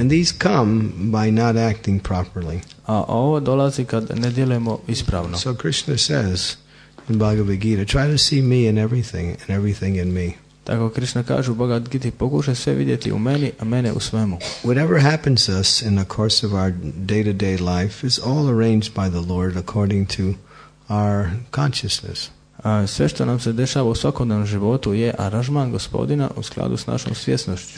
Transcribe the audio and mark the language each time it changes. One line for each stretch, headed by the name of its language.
English: And these come by not acting properly.
Bosnian: A ovo dolazi kad ne djelujemo ispravno.
English: So Krishna says in Bhagavad Gita, try to see me in everything and everything in me.
Bosnian: Tako Krishna kaže u Bhagavad Gita, pokušaj sve vidjeti u meni, a mene u svemu.
English: Whatever happens us in the course of our day-to-day life is all arranged by the Lord according to our consciousness.
Bosnian: Sve što nam se dešava u svakodnevnom životu je aranžman gospodina u skladu s našom svjesnošću.